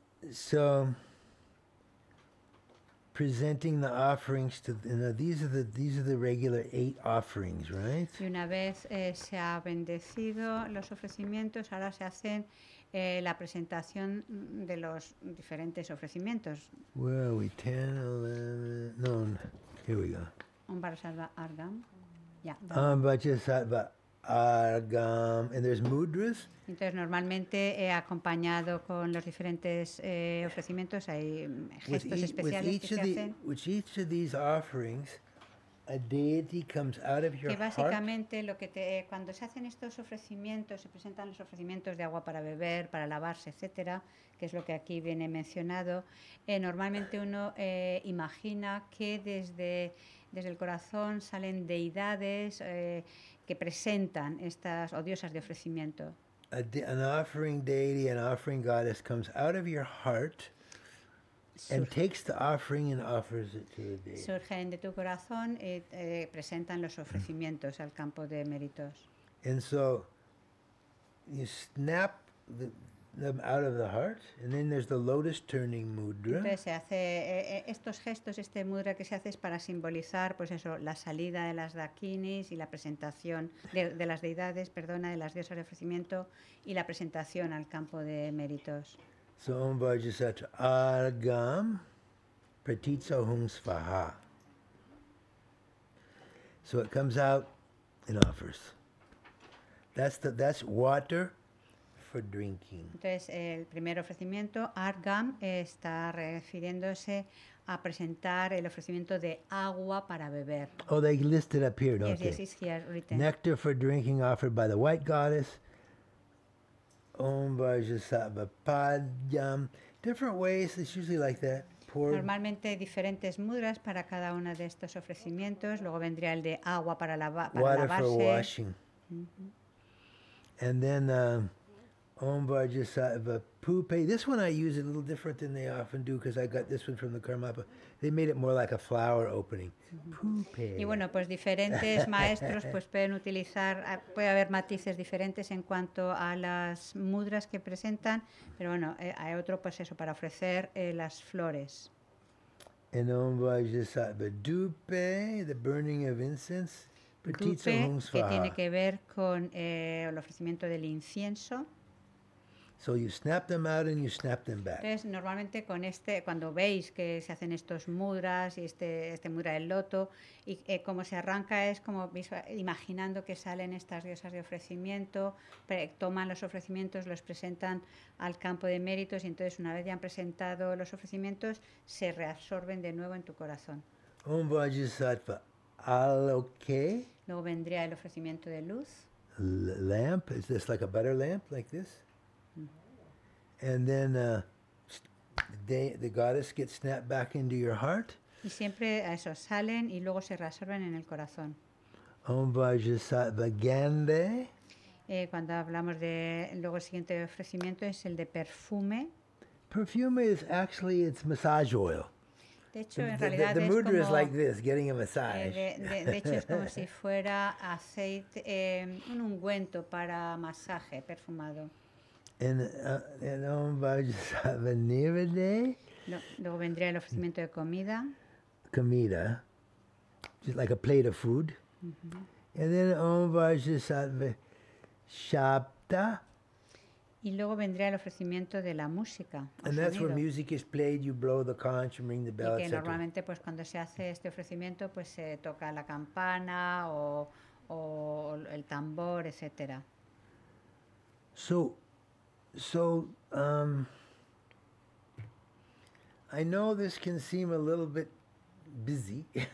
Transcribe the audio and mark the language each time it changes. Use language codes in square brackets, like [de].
[en] So, presenting the offerings to the, you know, these are the regular eight offerings, right? [es] Y una vez se ha bendecido los ofrecimientos, ahora se hacen la presentación de los diferentes ofrecimientos. [en] Where are we? 10, 11, no, here we go. [sa] Ambarasattva Argam. [en] Yeah. [sa] Ambarasattva Argam. [en] And there's mudras. [es] Entonces normalmente acompañado con los diferentes ofrecimientos hay gestos especiales que se hacen. [en] Which each of these offerings a deity comes out of your [es] que básicamente [en] heart. [es] Lo que te, cuando se hacen estos ofrecimientos, se presentan los ofrecimientos de agua para beber, para lavarse, etcétera, que es lo que aquí viene mencionado, normalmente uno imagina que desde el corazón salen deidades que presentan estas o diosas de ofrecimiento. [en] An offering deity, an offering goddess comes out of your heart and takes the offering and offers it to the deity. [es] Surgen de tu corazón y presentan los ofrecimientos al campo de méritos. [en] And so you snap them out of the heart, and then there's the lotus turning mudra. [es] Entonces se hace estos gestos, este mudra que se hace es para simbolizar, pues eso, la salida de las dakinis y la presentación de las deidades, perdona, de las diosas de ofrecimiento y la presentación al campo de méritos. [sa] So Om Vajrasattva Agam Pratitsa Hum Svaha. [en] So it comes out and offers. That's water for drinking. [es] Entonces el primer ofrecimiento Argam está refiriéndose a presentar el ofrecimiento de agua para beber. [en] Oh, they list it up here, don't they? Yes, it's here written. Nectar for drinking offered by the white goddess. [sa] Om Vajrasattva Padyam. [en] Different ways, it's usually like that. Pour. [es] Normalmente diferentes mudras para cada uno de estos ofrecimientos. Luego vendría el de agua para lavarse. [en] Water for washing. Mm-hmm. [sa] And then Om Vajrasattva Pupe. [en] This one I use a little different than they often do because I got this one from the Karmapa. They made it more like a flower opening. Mm-hmm. Pupe. [es] Y bueno, pues diferentes maestros pues pueden utilizar, puede haber matices diferentes en cuanto a las mudras que presentan, pero bueno, hay otro pues eso, para ofrecer las flores. [en] And [sa] Om Vajrasattva Dupe, [en] the burning of incense. [es] Dupe, que tiene que ver con el ofrecimiento del incienso. [en] So you snap them out and you snap them back. [es] Entonces, normalmente con este, cuando veis que se hacen estos mudras y este mudra del loto, y como se arranca es como imaginando que salen estas diosas de ofrecimiento, toman los ofrecimientos, los presentan al campo de méritos, y entonces una vez ya han presentado los ofrecimientos, se reabsorben de nuevo en tu corazón. [sa] Om Vajrasattva Aloke. [es] Luego vendría el ofrecimiento de luz. [en] Lamp, is this like a butter lamp, like this? And then the goddess gets snapped back into your heart. [es] Y siempre eso, salen y luego se reabsorben en el corazón. [sa] Om Vajrasattva Gande. [es] Cuando hablamos de luego el siguiente ofrecimiento es el de perfume. [en] Perfume is actually it's massage oil. [es] De hecho, en realidad [en] the mudra [es] como, [en] is like this, getting a massage. [es] De hecho, es como si fuera aceite, un ungüento para masaje perfumado. [sa] And Om Vajrasattva Nivade. [es] Luego vendría el ofrecimiento de comida. [en] Comida. Just like a plate of food. Mm-hmm. [sa] And then Om Vajrasattva Shapta. [es] Y luego vendría el ofrecimiento de la música. [en] And that's where music is played, you blow the conch and ring the bell, etc. [es] Y que normalmente pues cuando se hace este ofrecimiento pues se toca la campana o el tambor, etc. [en] So, I know this can seem a little bit busy.